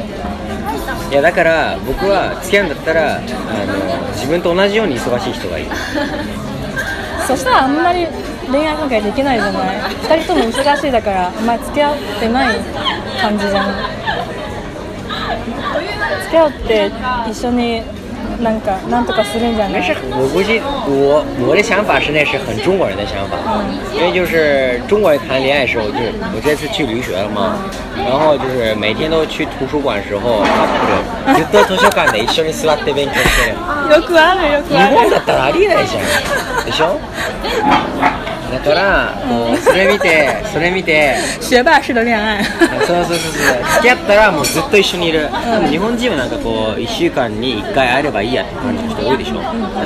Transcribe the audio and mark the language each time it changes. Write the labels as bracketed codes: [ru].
[ja] いやだから僕は付き合うんだったら、あの自分と同じように忙しい人がいい。そしたらあんまり恋愛関係できないじゃない。二人とも忙しいだから、まあ付き合ってない感じじゃん。付き合って一緒になんかなんとかするんじゃない。 [zh] 没事，我估计我的想法是那是很中国人的想法，因为就是中国人谈恋爱的时候，就是我这次去留学了嘛，然后就是每天都去图书馆的时候，或者 [ja] ずっと図書館で一緒に座って勉強してる。よくあるよくある。日本だったらありえないじゃん。でしょ。だから、もうそれ見て学霸式の恋愛。そう付き合ったらもうずっと一緒にいる。日本人はなんかこう1週間に1回会えればいいやって感じの人多いでしょ、うん、